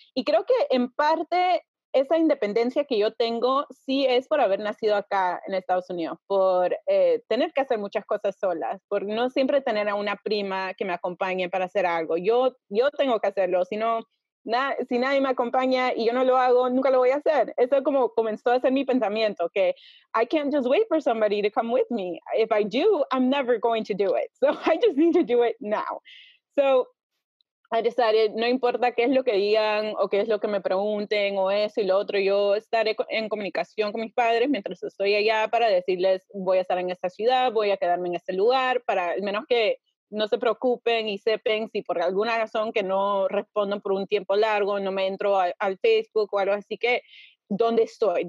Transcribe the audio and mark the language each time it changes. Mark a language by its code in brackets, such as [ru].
[es] Y creo que en parte esa independencia que yo tengo sí es por haber nacido acá en Estados Unidos, por tener que hacer muchas cosas solas, por no siempre tener a una prima que me acompañe para hacer algo. Yo tengo que hacerlo, si nadie me acompaña y yo no lo hago, nunca lo voy a hacer. Eso como comenzó a ser mi pensamiento, que [en] I can't just wait for somebody to come with me. If I do, I'm never going to do it. So I just need to do it now. So I decided, [es] no importa qué es lo que digan o qué es lo que me pregunten o eso y lo otro, yo estaré en comunicación con mis padres mientras estoy allá para decirles, voy a estar en esta ciudad, voy a quedarme en este lugar, para al menos que no se preocupen y sepan si por alguna razón que no respondan por un tiempo largo, no me entro al Facebook o algo así, que ¿dónde estoy?